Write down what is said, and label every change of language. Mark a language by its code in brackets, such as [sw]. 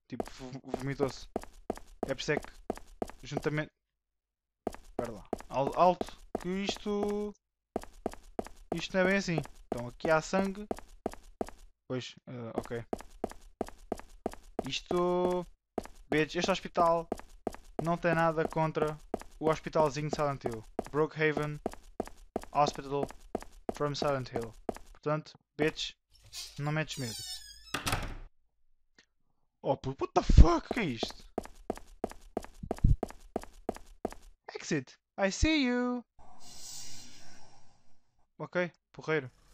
[pt] Tipo, vomitou-se. É por isso é que. Juntamente. Espera lá. Alto. Que isto. Isto não é bem assim. Então aqui há sangue. Pois. Ok. Isto. Bitch, este hospital. Não tem nada contra o hospitalzinho de Silent Hill. [en] Brookhaven Hospital from Silent Hill. [pt] Portanto, bitch, não metes medo. [en] Oh, what the fuck, [pt] que é isto? [en] Exit, I see you. [pt] Ok, porreiro.